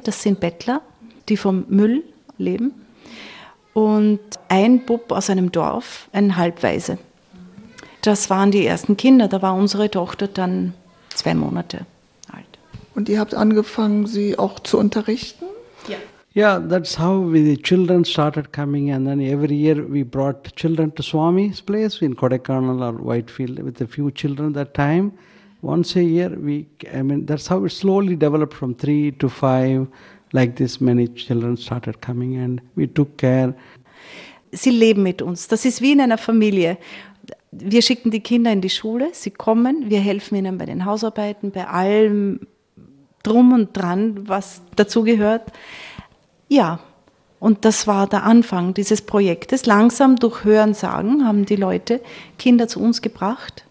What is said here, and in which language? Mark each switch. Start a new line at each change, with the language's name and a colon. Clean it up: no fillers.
German: Das sind Bettler, die vom Müll leben. Und ein Bub aus einem Dorf, ein Halbwaise. Das waren die ersten Kinder. Da war unsere Tochter dann 2 Monate. Und ihr habt angefangen, sie auch zu unterrichten? Ja.
English: Yeah, that's how we, the children started coming, and then every year we brought children to Swami's place in Kodaikanal or Whitefield with a few children at that time. Once a year, that's how it slowly developed from 3 to 5, like this many children started coming and we took care.
German: Sie leben mit uns. Das ist wie in einer Familie. Wir schicken die Kinder in die Schule, sie kommen, wir helfen ihnen bei den Hausarbeiten, bei allem drum und dran, was dazugehört. Ja, und das war der Anfang dieses Projektes. Langsam durch Hörensagen haben die Leute Kinder zu uns gebracht.